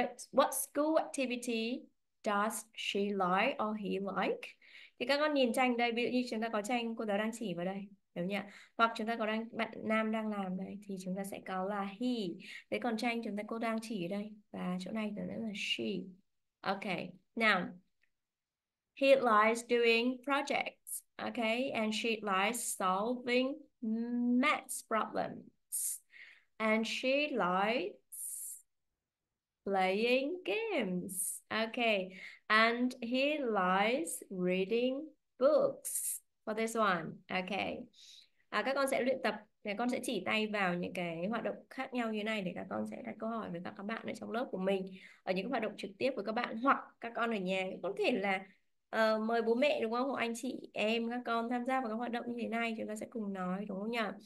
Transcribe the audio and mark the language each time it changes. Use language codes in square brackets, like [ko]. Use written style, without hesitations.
[en] What school activity does she like or he like? [vi] Thì các con nhìn tranh đây, ví dụ như chúng ta có tranh cô giáo đang chỉ vào đây, đúng không? Hoặc chúng ta có đang bạn nam đang làm đây thì chúng ta sẽ có là he. Thế còn tranh chúng ta cô đang chỉ ở đây và chỗ này thì là she. [en] Okay. Now, he likes doing projects. Okay, and she likes solving maths problems. And she likes playing games. Okay. And he likes reading books for this one. Okay. [vi] Các con sẽ luyện tập, để con sẽ chỉ tay vào những cái hoạt động khác nhau như này để các con sẽ đặt câu hỏi với các bạn ở trong lớp của mình, ở những hoạt động trực tiếp với các bạn hoặc các con ở nhà cũng có thể là mời bố mẹ, đúng không? Hoặc anh chị em các con tham gia vào các hoạt động như thế này, chúng ta sẽ cùng nói, đúng không nhỉ?